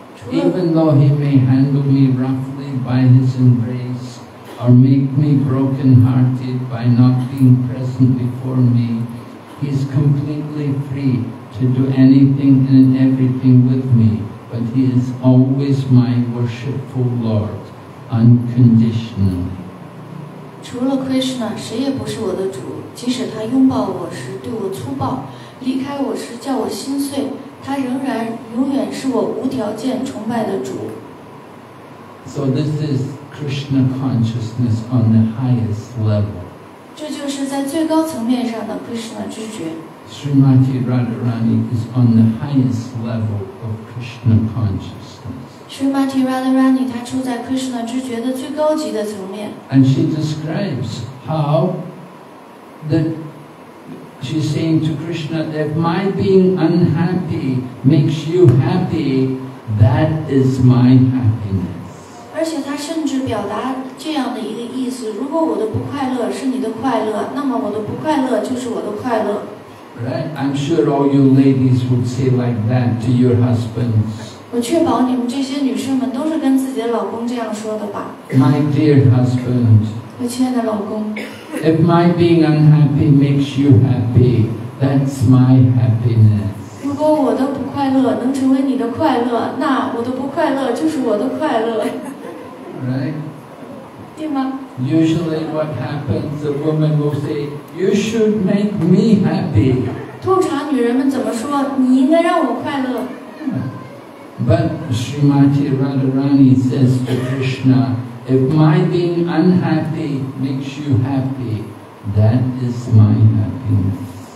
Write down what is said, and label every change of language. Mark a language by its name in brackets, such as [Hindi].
[English] Even though he may handle me roughly by his embrace, or make me broken-hearted by not being present before me, he is completely free to do anything and everything with me, but he is always my worshipful Lord, unconditionally. [Chinese] 除了 Krishna, 谁也不是我的主，即使他拥抱我时对我粗暴，离开我时叫我心碎。他仍然永远是我无条件崇拜的主。 [English] So this is Krishna consciousness on the highest level. [Chinese] 这就是在最高层面上的 Krishna 知觉。 [English] Srimati Radharani is on the highest level of Krishna consciousness. [Chinese] Srimati Radharani 她处在 Krishna 知觉的最高级的层面。 [English] And she describes how the. She's saying to Krishna that if my being unhappy makes you happy, that is my happiness. [Chinese] 而且她甚至表达这样的一个意思：如果我的不快乐是你的快乐，那么我的不快乐就是我的快乐。 [English] Right? I'm sure all you ladies would say like that to your husbands. [Chinese] 我确保你们这些女生们都是跟自己的老公这样说的吧。 [English] My dear husband. If my being unhappy makes you happy, that's my happiness. [Chinese] 如果我的不快乐能成为你的快乐，那我的不快乐就是我的快乐。 [English] Right? [Chinese] 对吗 [English] ？Usually, what happens? A woman will say, "You should make me happy." [Chinese] 通常女人们怎么说？你应该让我快乐。 [English] But Srimati Radharani says to Krishna. If my being unhappy makes you happy, that is my happiness.